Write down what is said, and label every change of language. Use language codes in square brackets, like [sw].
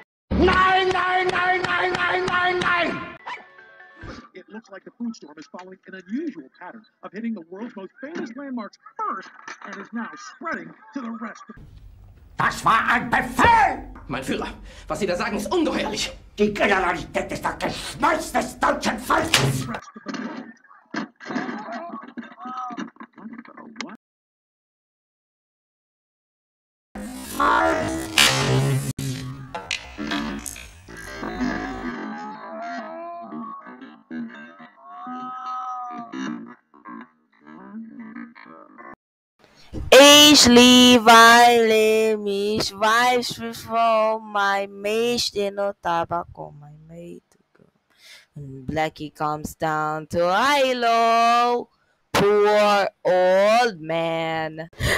[en] Nine, nine, nine, nine, nine, nine, nine! It looks like the food storm is following an unusual pattern of hitting the world's most famous landmarks first and is now spreading to the rest of... [de] Das war ein Befehl! Mein Führer, was Sie da sagen, ist ungeheuerlich. Die Generalität ist das Geschmeiß des deutschen Volkes! Ich liebe alle, ich weiß bevor mein Mist in no Tabak on my mate. [en] When Blackie comes down to Hilo, poor old man.